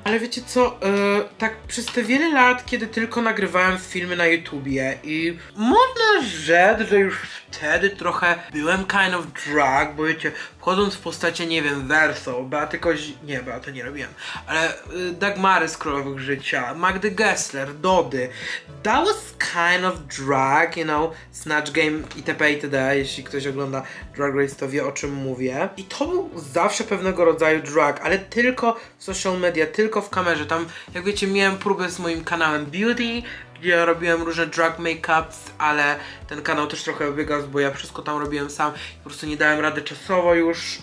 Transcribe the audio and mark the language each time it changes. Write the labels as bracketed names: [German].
[Polish] Ale wiecie co, tak przez te wiele lat, kiedy tylko nagrywałem filmy na YouTubie i można rzec, że już wtedy trochę byłem [English] kind of drag, [Polish] bo wiecie, wchodząc w postacie, nie wiem, Verso, Beaty Kozi... Nie, Beaty nie robiłem, ale Dagmary z Królowych Życia, Magdy Gessler, Dody. [English] That was kind of drag, you know, Snatch Game itp. [Polish] itd. Jeśli ktoś ogląda Drag Race, to wie o czym mówię. I to był zawsze pewnego rodzaju drag, ale tylko w social media, tylko w kamerze. Tam, jak wiecie, miałem próbę z moim kanałem Beauty, gdzie robiłem różne drag make-ups, ale ten kanał też trochę wygasł, bo ja wszystko tam robiłem sam i po prostu nie dałem rady czasowo już.